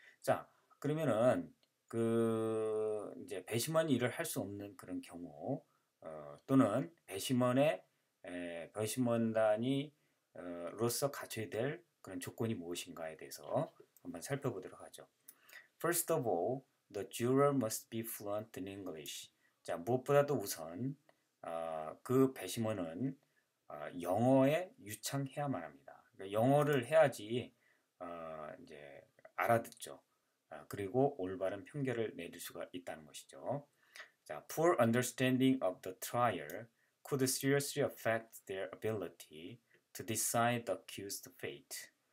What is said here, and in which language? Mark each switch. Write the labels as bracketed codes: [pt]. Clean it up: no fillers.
[ko] 자, 그러면은 그 이제 배심원 일을 할수 없는 그런 경우 또는 배심원의 배심원단이 로서 갖춰야 될 그런 조건이 무엇인가에 대해서 한번 살펴보도록 하죠. [en] First of all, the juror must be fluent in English. [ko] 자, 무엇보다도 우선 그 배심원은 영어에 유창해야만 합니다. 그러니까 영어를 해야지 이제 알아듣죠. 그리고 올바른 판결을 내릴 수가 있다는 것이죠. [en] 자, poor understanding of the trial could seriously affect their ability to decide the accused fate.